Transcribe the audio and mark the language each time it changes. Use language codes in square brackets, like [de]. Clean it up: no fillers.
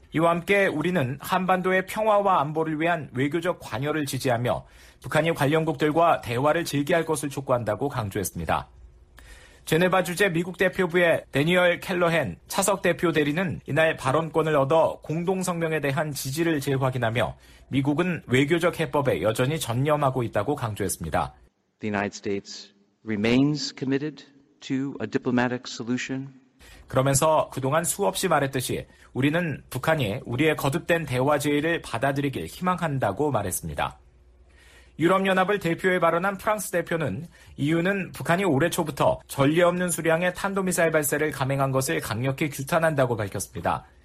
[ko] 이와 함께 우리는 한반도의 평화와 안보를 위한 외교적 관여를 지지하며 북한이 관련국들과 대화를 재개할 것을 촉구한다고 강조했습니다. 제네바 주재 미국 대표부의 대니얼 켈러헨 차석 대표 대리는 이날 발언권을 얻어 공동성명에 대한 지지를 재확인하며 미국은 외교적 해법에 여전히 전념하고 있다고 강조했습니다. [en] The United States remains committed to a diplomatic solution. [ko] 그러면서 그동안 수없이 말했듯이 우리는 북한이 우리의 거듭된 대화 제의를 받아들이길 희망한다고 말했습니다. 유럽연합을 대표해 발언한 프랑스 대표는 EU는 북한이 올해 초부터 전례 없는 수량의 탄도미사일 발사를 감행한 것을 강력히 규탄한다고 밝혔습니다.